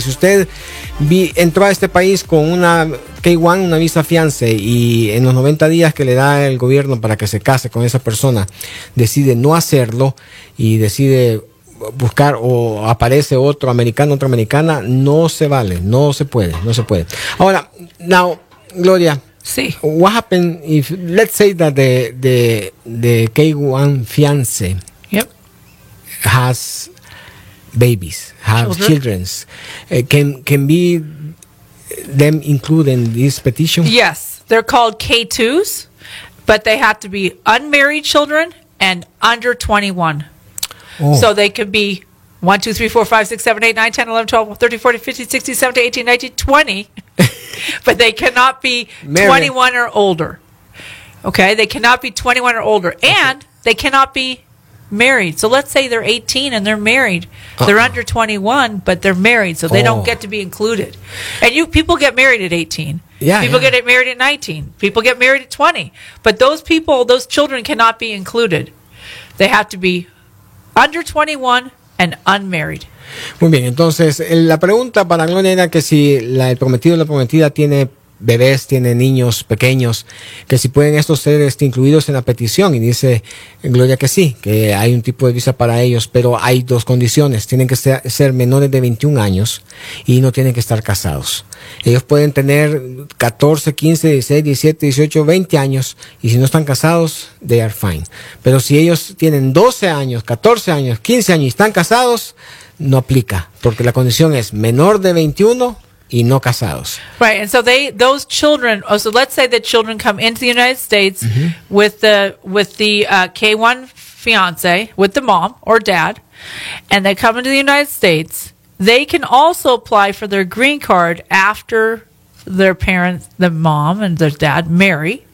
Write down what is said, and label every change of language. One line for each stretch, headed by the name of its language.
Spanish: Si usted entró a este país con una K-1, una visa fiance, y en los 90 días que le da el gobierno para que se case con esa persona, decide no hacerlo y decide buscar o aparece otro americano, otra americana, no se vale, no se puede, no se puede. Ahora, now, Gloria. Sí.
English: What happened if, let's say that the K-1 fiance, yep, has babies, has children, children's, can be them included in this petition? Yes, they're called K-2s, but they have to be unmarried children and under 21. Oh. So they could be 1, 2, 3, 4, 5, 6, 7, 8, 9, 10, 11, 12, 13, 14, 15, 16, 17, 18, 19, 20. But they cannot be Mary. 21 or older. Okay? They cannot be 21 or older. And they cannot be married. So let's say they're 18 and they're married. They're under 21, but they're married. So they don't get to be included. And people get married at 18. Yeah, people get married at 19. People get married at 20. But those people, those children cannot be included. They have to be under 21 and unmarried.
Spanish: Muy bien, entonces la pregunta para Gloria era que si el prometido o la prometida tiene bebés, tiene niños pequeños, que si pueden estos ser incluidos en la petición. Y dice Gloria que sí, que hay un tipo de visa para ellos, pero hay dos condiciones. Tienen que ser menores de 21 años y no tienen que estar casados. Ellos pueden tener 14, 15, 16, 17, 18, 20 años, y si no están casados,
English: they are fine.
Spanish: Pero si ellos tienen 12 años, 14 años, 15 años y están casados, no aplica, porque la condición es menor de 21 y no casados.
English: Right, and so those children, so let's say the children come into the United States, mm-hmm, with the K-1 fiance, with the mom or dad, and they come into the United States. They can also apply for their green card after their parents, the mom and their dad, marry.